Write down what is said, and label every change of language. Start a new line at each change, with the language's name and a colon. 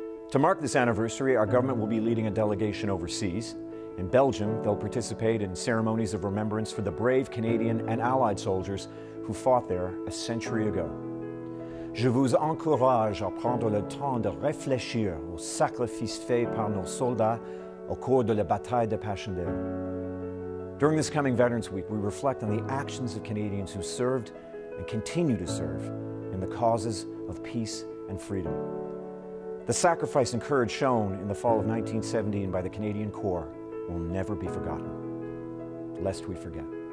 English: To mark this anniversary, our government will be leading a delegation overseas. In Belgium, they'll participate in ceremonies of remembrance for the brave Canadian and Allied soldiers who fought there a century ago.
French: Je vous encourage à prendre le temps de réfléchir aux sacrifices faits par nos soldats au cours de la bataille de Passchendaele.
English: During this coming Veterans Week, we reflect on the actions of Canadians who served and continue to serve in the causes of peace and freedom. The sacrifice and courage shown in the fall of 1917 by the Canadian Corps will never be forgotten, lest we forget.